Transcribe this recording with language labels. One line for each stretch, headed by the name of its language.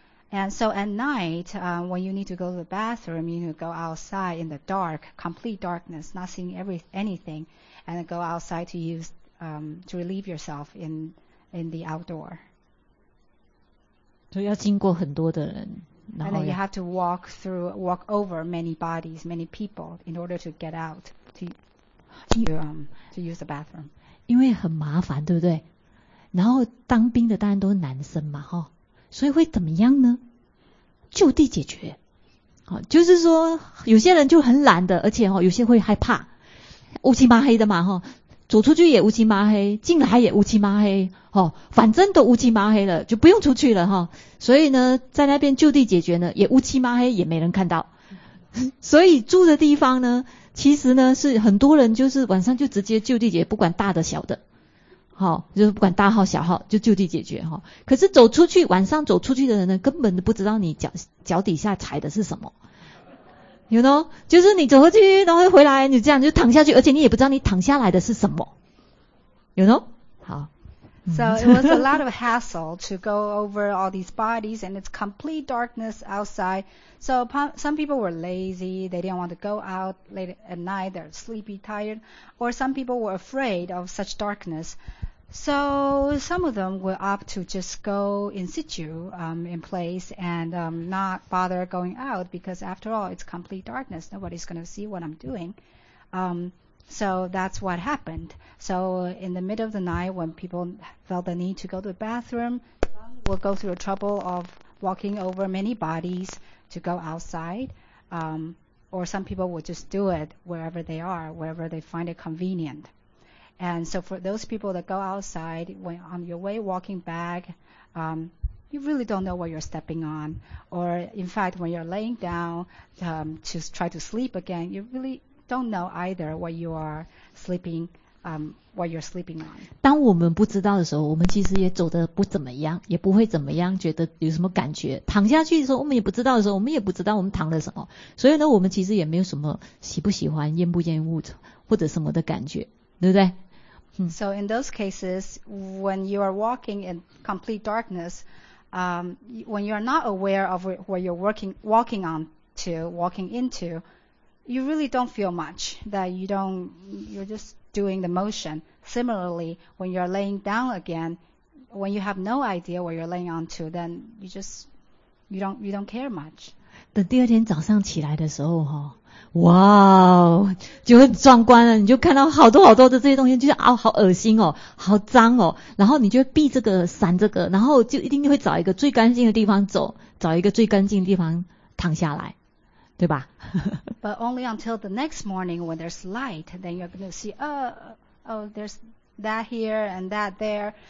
English: And so at night, when you need to go to the bathroom, you need to go outside in the dark, complete darkness, not seeing anything, and go outside to use to relieve yourself in the outdoor. And then you have to walk over many bodies, many people, in order to get out to use the bathroom.
Chinese: 因为很麻烦，对不对？然后当兵的当然都是男生嘛，哈，所以会怎么样呢？就地解决，好，就是说有些人就很懒的，而且哈，有些会害怕，乌漆麻黑的嘛，哈，走出去也乌漆麻黑，进来也乌漆麻黑，哈，反正都乌漆麻黑了，就不用出去了，哈，所以呢，在那边就地解决呢，也乌漆麻黑，也没人看到，所以住的地方呢。其实呢是很多人就是晚上就直接就地解决，不管大的小的，好、哦，就是不管大号小号就就地解决、哦、可是走出去，晚上走出去的人呢根本都不知道你 脚底下踩的是什么，
English: you know，
Chinese: 就是你走过去然后回来你这样就躺下去，而且你也不知道你躺下来的是什么， you know。好，
English: So it was a lot of hassle to go over all these bodies and it's complete darkness outside. So some people were lazy, they didn't want to go out late at night, they're sleepy, tired, or some people were afraid of such darkness. So some of them were opt to just go in situ, in place, and not bother going out, because after all, it's complete darkness, nobody's going to see what I'm doing. So that's what happened. So in the middle of the night, when people felt the need to go to the bathroom, some will go through the trouble of walking over many bodies,to go outside, or some people would just do it wherever they are, wherever they find it convenient. And so for those people that go outside, when on your way walking back, you really don't know what you're stepping on. Or in fact, when you're laying down to try to sleep again, you really don't know either what you are sleeping, what you're sleeping on.
Chinese: 当我们不知道的时候，我们其实也走得不怎么样，也不会怎么样觉得有什么感觉。躺下去的时候，我们也不知道的时候，我们也不知道我们躺了什么。所以呢，我们其实也没有什么喜不喜欢、厌不厌恶或者什么的感觉，对不对？
English: So in those cases, when you are walking in complete darkness, when you are not aware of where you're walking on to, walking into, you really don't feel much. That you don't, you're just doing the motion. Similarly, when you're laying down again, when you have no idea where you're laying onto, then you just, you don't care much.
Chinese: 等第二天早上起来的时候，哇，就很壮观了，你就看到好多好多的这些东西，就是啊，好恶心哦，好脏哦，然后你就避这个，闪这个，然后就一定会找一个最干净的地方走，找一个最干净的地方躺下来。对吧
English: But only until the next morning when there's light, then you're going to see, oh, there's that here and that there.